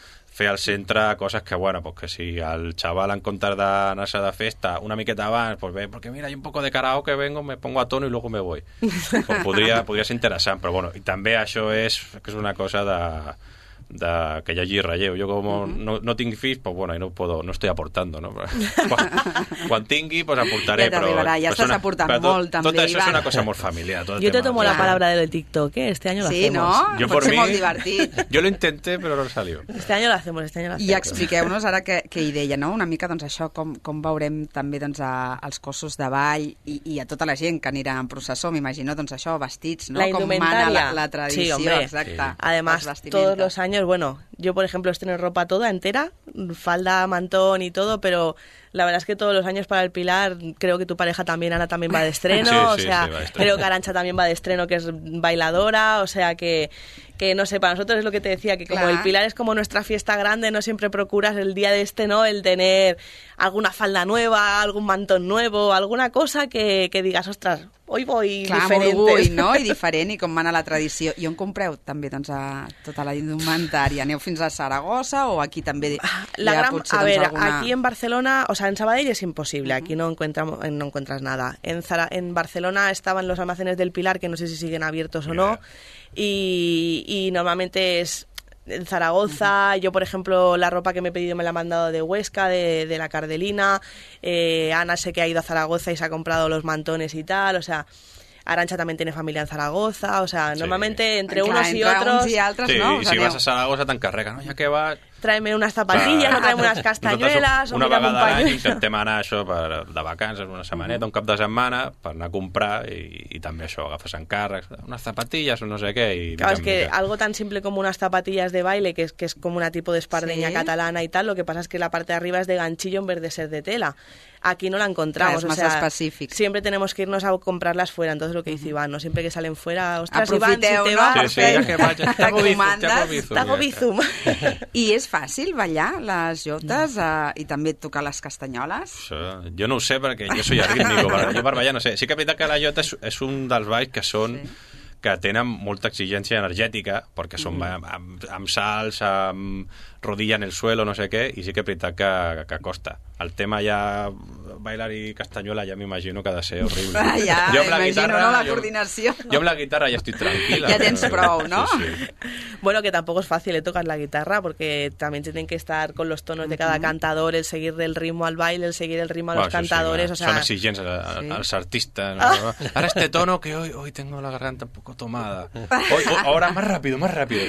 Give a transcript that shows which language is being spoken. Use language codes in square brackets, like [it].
[ca] fer al centre coses que, bueno, pues que si el xaval en comptes d'anar-se de festa una miqueta abans, pues ve, [es] porque mira, hay un poco de karaoke, vengo, me pongo a tono y luego me voy. [ca] Pues podria ser interessant, però bueno, i també això és que és una cosa de que hi hagi relleu. Jo com no tinc fills, pues bueno, [es] no estoy aportando, ¿no? [ca] Quan tingui, pues aportaré, ja estàs aportant però molt, també, tot això Ivan. És una cosa molt familiar. Jo [es] te tomo la palabra del TikTok, ¿eh? Este año lo hacemos. Sí, ¿no? Yo [ca] por mí, molt divertit. [es] Jo lo intenté, però no salió. Este año lo hacemos. [ca] I expliqueu-nos ara què hi deia, ¿no? Una mica, doncs, això, com veurem també, doncs, als cossos de ball i a tota la gent que anirà en processó, m'imagino, doncs, això, vestits, ¿no? La indumentària. Com mana la tradició, sí, [es] hombre, [ca] exacte. Sí. [es] Además, todos los años, bueno, yo por ejemplo estoy en ropa toda entera, falda, mantón y todo, pero la verdad es que todos los años para el Pilar, creo que tu pareja también, Ana, también va de estreno, sí, o sí, sea, sí, estreno. Creo que Arancha también va de estreno, que es bailadora, o sea que no sé, para nosotros es lo que te decía, que como el Pilar es como nuestra fiesta grande, no siempre procuras el día de este, ¿no?, el tener alguna falda nueva, algún mantón nuevo, alguna cosa que digas, ostras, hoy voy diferente. No? [ca] I diferent, i com mana la tradició. I on compreu també, doncs, a tota la indumentària? Aneu fins a Saragossa o aquí també? La gran, potser, a doncs, ver, alguna... [es] aquí en Barcelona, o sea, en Sabadell es imposible, aquí no encuentras nada. En Barcelona estaban los almacenes del Pilar, que no sé si siguen abiertos o no, y normalmente es en Zaragoza, yo por ejemplo la ropa que me he pedido me la ha mandado de Huesca, de la Cardelina, Ana sé que ha ido a Zaragoza y se ha comprado los mantones y tal, o sea, Arancha también tiene familia en Zaragoza, o sea, normalmente entre unos entre y otros... [ca] Uns y altres, [es] sí, no, y si vas a Zaragoza te encarrega, ¿no? Ya que vas... Tráeme unas zapatillas, tráeme unas castañuelas... [ca] Una vegada l'any intentem anar això de vacances, una setmaneta, un cap de setmana, per anar a comprar i també això, agafes encàrrecs, unes zapatillas o no sé què... I claro, és que algo tan simple com unes zapatillas de baile, que és com una tipo d'espardenya catalana i tal, [es] lo que pasa es que la parte de arriba es de ganchillo en vez de ser de tela. aquí no la encontramos. Claro, es más, o sea, específico. Siempre tenemos que irnos a comprarlas fuera. Entonces, lo que dice Iván, ¿no? Siempre que salen fuera, ostras, Iván, si te vas, sí, sí, ya que vaya, te comandas, t'hago bizum. [ca] I és fàcil ballar les jotes i també tocar les castanyoles? Jo no ho sé, perquè jo [es] soy arrítmico. [ca] Jo per ballar no sé. Sí que veritat que la jota és un dels balls que són... que tenen molta exigència energètica, perquè són amb salts, amb [es] rodilla en el suelo, [ca] no sé què, i sí que és veritat que costa. El tema ja, bailar i castanyola, ja m'imagino que ha de ser horrible. Ah, ja, jo amb la guitarra, no, la coordinació. Jo amb la guitarra ja estic tranquil·la. Ja tens prou, no? Sí, sí. Bueno, que tampoc és fàcil, tocar la guitarra, perquè també tenen que estar [es] con los tonos de cada cantador, el seguir el ritmo al baile, el seguir el ritmo a los cantadores. [ca] Sí, o sea... Són exigents als artistes. No? Ah. [es] Ara este tono que hoy tengo la garganta un poco tomada. Ahora más rápido, más rápido.